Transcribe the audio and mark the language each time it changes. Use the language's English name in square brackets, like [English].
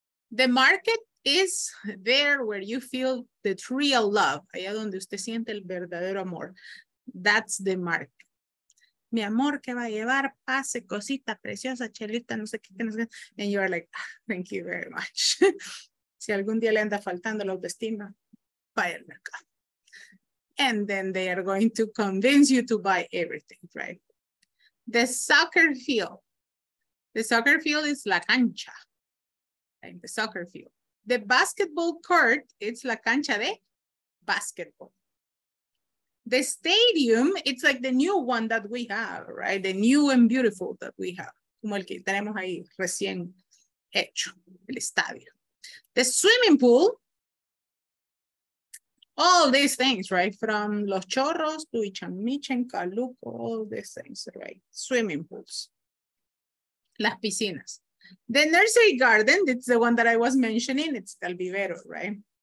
[English] The market is there where you feel the real love. [Spanish] Allá donde usted siente el verdadero amor. [English] That's the market. [Spanish] Mi amor, ¿qué va a llevar? Pase, cosita, preciosa, chelita, no sé qué. Que no sé. [English] And you are like, ah, thank you very much. [Spanish] Si algún día le anda faltando la autoestima, buy el mercado. [English] And then they are going to convince you to buy everything, right? The soccer field. The soccer field is [Spanish] la cancha. [English] Right? The soccer field. The basketball court, it's [Spanish] la cancha de basketball. [English] The stadium, it's like the new one that we have, right? The new and beautiful that we have. [Spanish] Como el que tenemos ahí recién hecho, el estadio. [English] The swimming pool, all these things, right? From Los Chorros to Ichamichen, Caluco, all these things, right? Swimming pools. [Spanish] Las piscinas. [English] The nursery garden, it's the one that I was mentioning, it's [Spanish] el vivero, [English] right?